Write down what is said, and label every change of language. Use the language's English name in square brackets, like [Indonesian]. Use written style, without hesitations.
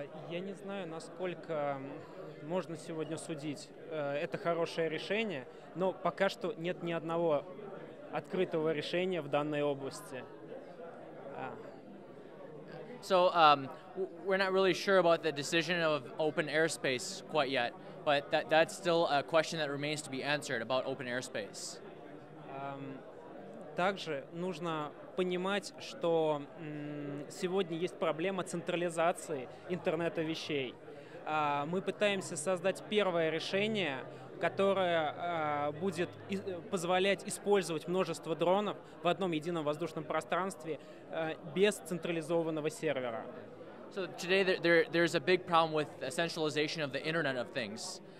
[Russian] Я не знаю, насколько можно сегодня судить. Это хорошее решение, но пока что нет ни одного открытого решения в данной области. [English] So we're not really sure about the decision of open airspace quite yet, but that's still a question that remains to be answered about open airspace. [Russian] Также нужно понимать, что сегодня есть проблема централизации интернета вещей. Мы пытаемся создать первое решение, которое будет позволять использовать множество дронов в одном едином воздушном пространстве без централизованного сервера. [English] So today there's a big problem with centralization of the Internet of Things.